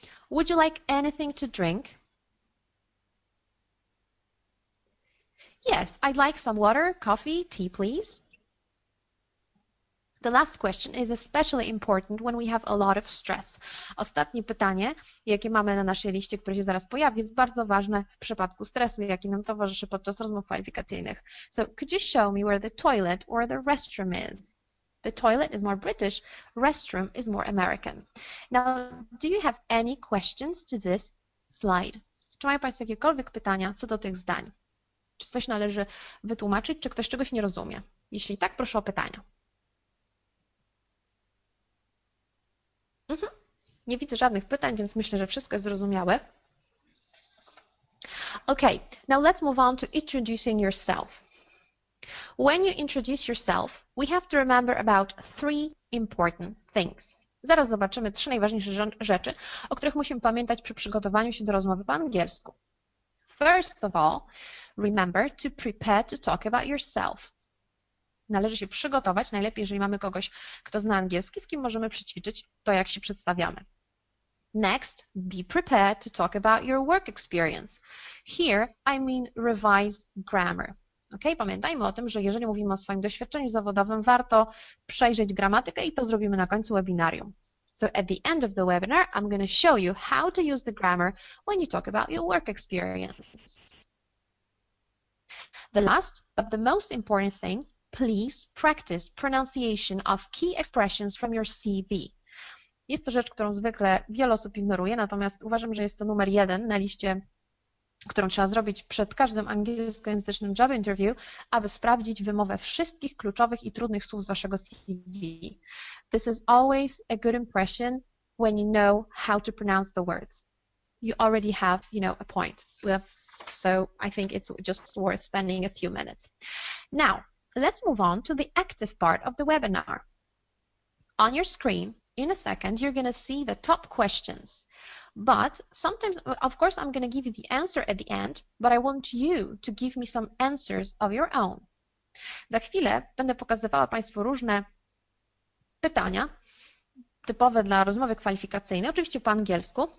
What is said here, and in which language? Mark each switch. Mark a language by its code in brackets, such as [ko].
[en] Would you like anything to drink? Yes, I'd like some water, coffee, tea, please. The last question is especially important when we have a lot of stress. [pl] Ostatnie pytanie, jakie mamy na naszej liście, które się zaraz pojawi, jest bardzo ważne w przypadku stresu, jaki nam towarzyszy podczas rozmów kwalifikacyjnych. [en] So, could you show me where the toilet or the restroom is? The toilet is more British, restroom is more American. Now, do you have any questions to this slide? [pl] Czy mają Państwo jakiekolwiek pytania co do tych zdań? Czy coś należy wytłumaczyć, czy ktoś czegoś nie rozumie? Jeśli tak, proszę o pytania. Nie widzę żadnych pytań, więc myślę, że wszystko jest zrozumiałe. [en] Okay, now let's move on to introducing yourself. When you introduce yourself, we have to remember about three important things. [pl] Zaraz zobaczymy trzy najważniejsze rzeczy, o których musimy pamiętać przy przygotowaniu się do rozmowy po angielsku. [en] First of all, remember to prepare to talk about yourself. [pl] Należy się przygotować, najlepiej jeżeli mamy kogoś, kto zna angielski, z kim możemy przećwiczyć to, jak się przedstawiamy. [en] Next, be prepared to talk about your work experience. Here I mean revise grammar. Okay? [pl] Pamiętajmy o tym, że jeżeli mówimy o swoim doświadczeniu zawodowym, warto przejrzeć gramatykę i to zrobimy na końcu webinarium. [en] So at the end of the webinar, I'm going to show you how to use the grammar when you talk about your work experience. The last, but the most important thing, please practice pronunciation of key expressions from your CV. [pl] Jest to rzecz, którą zwykle wiele osób ignoruje, natomiast uważam, że jest to numer jeden na liście, którą trzeba zrobić przed każdym angielskojęzycznym job interview, aby sprawdzić wymowę wszystkich kluczowych i trudnych słów z waszego CV. [en] This is always a good impression when you know how to pronounce the words. You already have, you know, a point. So I think it's just worth spending a few minutes. Now, let's move on to the active part of the webinar. On your screen, in a second, you're going to see the top questions. But sometimes, of course, I'm going to give you the answer at the end, but I want you to give me some answers of your own. [pl] Za chwilę będę pokazywała Państwu różne pytania typowe dla rozmowy kwalifikacyjnej, oczywiście po angielsku.